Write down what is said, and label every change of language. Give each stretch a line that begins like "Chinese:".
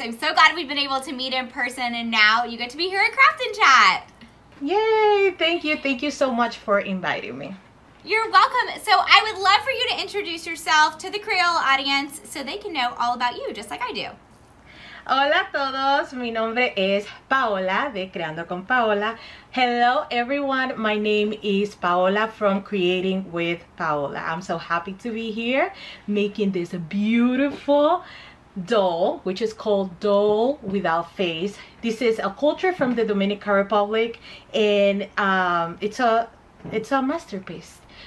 English: I'm so glad we've been able to meet in person, and now you get to be here at Craft and Chat. Yay! Thank you. Thank you so much for inviting me. You're welcome. So I would love for you to introduce yourself to the Crayola audience so they can know all about you, just like I do.
Spanish: Hola a todos. Mi nombre es Paola de Creando con Paola.
English: Hello, everyone. My name is Paola from Creating with Paola. I'm so happy to be here making this beautiful doll, which is called Doll Without Face. This is a culture from the Dominican Republic, and it's a masterpiece.